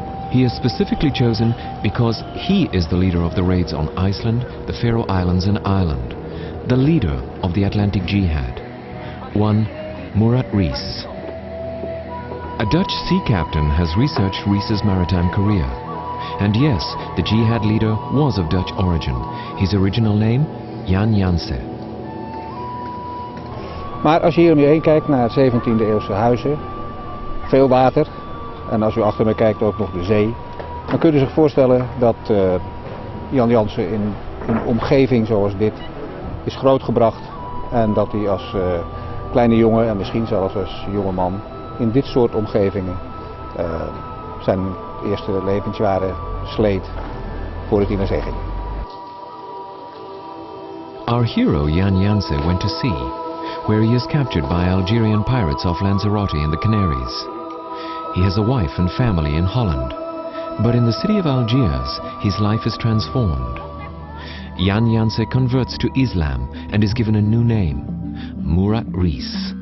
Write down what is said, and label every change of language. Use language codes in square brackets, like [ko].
[en] He is specifically chosen because he is the leader of the raids on Iceland, the Faroe Islands and Ireland, the leader of the Atlantic Jihad, one Murat Rees. A Dutch sea captain has researched Rees's maritime career. And yes, the Jihad leader was of Dutch origin. His original name, Jan Jansen. [nl] Maar als je hier om je heen kijkt naar 17e eeuwse huizen, veel water, en als u achter me kijkt ook nog de zee, dan kunt u zich voorstellen dat Jan Jansen in een omgeving zoals dit is grootgebracht en dat hij als kleine jongen en misschien zelfs als jonge man in dit soort omgevingen zijn eerste levensjaren sleet voordat hij naar zee ging. [en] Our hero Jan Jansen went to sea, where he is captured by Algerian pirates off Lanzarote in the Canaries. He has a wife and family in Holland, but in the city of Algiers his life is transformed. Jan Jansen converts to Islam and is given a new name, Murat Rees.